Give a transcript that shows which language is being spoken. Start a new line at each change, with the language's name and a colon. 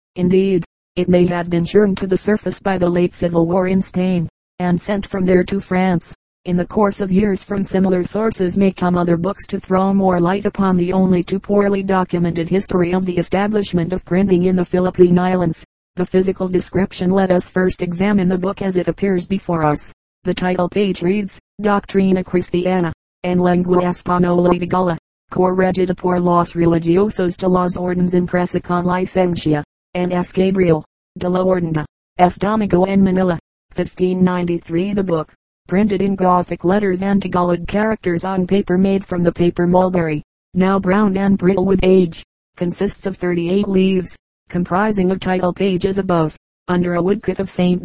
English: Indeed, it may have been churned to the surface by the late civil war in Spain, and sent from there to France. In the course of years from similar sources may come other books to throw more light upon the only too poorly documented history of the establishment of printing in the Philippine Islands. The physical description. Let us first examine the book as it appears before us. The title page reads,
Spanish: Doctrina Christiana, en lengua española y tagala, cor regida por los religiosos de las ordens impresa con licencia, en S. Gabriel, de la Ordena, S. Domingo en Manila, 1593.
English: The book, printed in Gothic letters and Tagalog characters on paper made from the paper mulberry, now brown and brittle with age, consists of 38 leaves, comprising a title page as above, under a woodcut of St.